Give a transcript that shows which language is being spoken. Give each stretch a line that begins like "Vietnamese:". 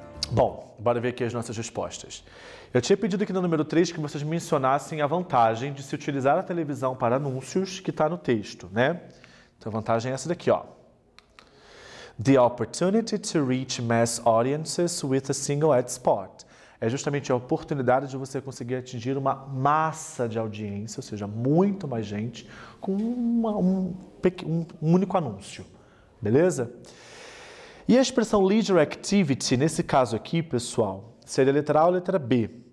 Portuguese: Bom, bora ver aqui as nossas respostas. Eu tinha pedido aqui no número 3 que vocês mencionassem a vantagem de se utilizar a televisão para anúncios que está no texto, né? Então, a vantagem é essa daqui, ó.
English: The opportunity to reach mass audiences with a single ad spot.
Portuguese: É justamente a oportunidade de você conseguir atingir uma massa de audiência, ou seja, muito mais gente, com um único anúncio. Beleza? E a expressão leisure activity, nesse caso aqui, pessoal, seria a letra A ou a letra B?